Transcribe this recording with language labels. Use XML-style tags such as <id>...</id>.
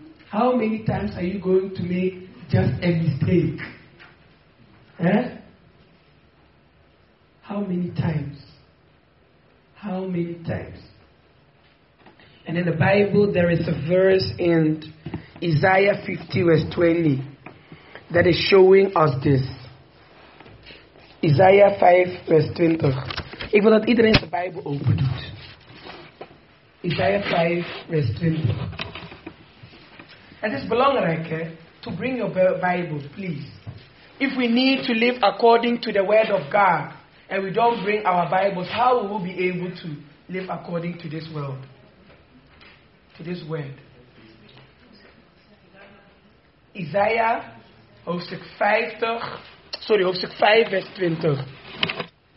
<en>How many times are you going to make just a mistake? Eh? How many times? How many times? And in the Bible, there is a verse in Isaiah 50 verse 20 that is showing us this.</en> <nl>Isaiah 5 verse 20. Ik wil dat iedereen de Bijbel opendoet.</nl> <en>Isaiah 5, verse 20.</en> <nl>Het is belangrijk, hè,</nl> <en>to bring your Bible, please. If we need to live according to the word of God, and we don't bring our Bibles, how will we be able to live according to this world? To this word.</en> <nl>Isaiah, hoofdstuk 50, sorry, hoofdstuk 5, verse 20.</nl>